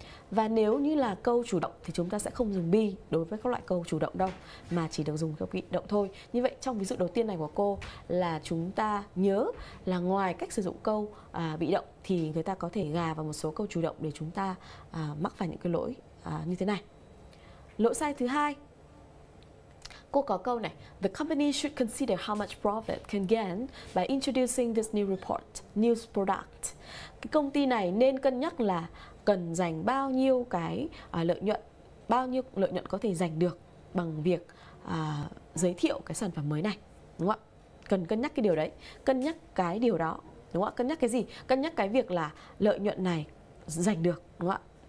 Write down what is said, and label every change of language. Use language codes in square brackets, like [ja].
[vi] Và nếu như là câu chủ động thì chúng ta sẽ không dùng be đối với các loại câu chủ động đâu, mà chỉ được dùng câu bị động thôi. Như vậy trong ví dụ đầu tiên này của cô là chúng ta nhớ là ngoài cách sử dụng câu bị động thì người ta có thể gà vào một số câu chủ động để chúng ta mắc phải những cái lỗi như thế này. Lỗi sai thứ hai, cô có câu này. [en] The company should consider how much profit can gain by introducing this new report, new product. [vi] Cái công ty này nên cân nhắc là cần dành bao nhiêu cái lợi nhuận, bao nhiêu lợi nhuận có thể giành được bằng việc giới thiệu cái sản phẩm mới này, đúng không ạ? Cần cân nhắc cái điều đấy, cân nhắc cái điều đó, đúng không ạ? Cân nhắc cái gì? Cân nhắc cái việc là lợi nhuận này giành được, đúng không ạ?